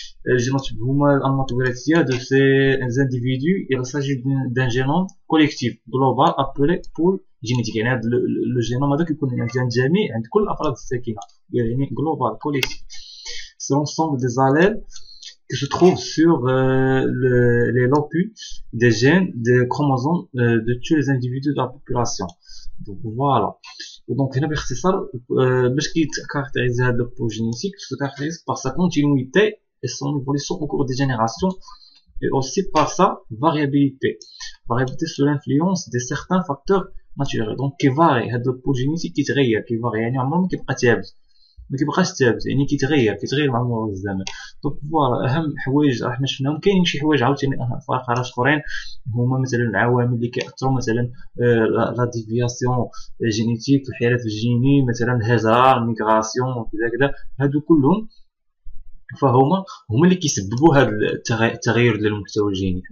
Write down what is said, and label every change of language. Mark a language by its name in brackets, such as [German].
[Arabic] الجينوتيب هما الانماط الوراثيه دو سي انزانديفيدو، الى ساجي دان جينوم كوليكتيف جلوبال ابولي بول جينيتيك، يعني هاد لو جينوم هذا كيكون عند جميع، عند كل الافراد الساكنه، يعني جلوبال كوليكتيف سي لونسومبل دي زاليل [French] qui se trouve sur les locus des gènes des chromosomes de tous les individus de la population. Donc voilà. Donc il y a un ça, ce qui caractérise la génétique, se caractérise par sa continuité et son évolution au cours des générations, et aussi par sa variabilité. Variabilité sous l'influence de certains facteurs naturels. Donc qui varie, la génétique qui varie, il y a un moment qui est pratique. [Arabic] ما كيبقاش ثابت، يعني كيتغير، كيتغير مع مرور الزمن. دونك فوالا، اهم حوايج راه حنا شفناهم. كاينين شي حوايج عاوتاني فرق على اخرين، هما مثلا العوامل اللي كيأثروا، مثلا لا ديفياسيون جينيتيك، الحراف الجيني، مثلا الهجره، الميغراسيون، وكذا كذا، هادو كلهم فهما اللي كيسببوا هذا التغير ديال المحتوى الجيني.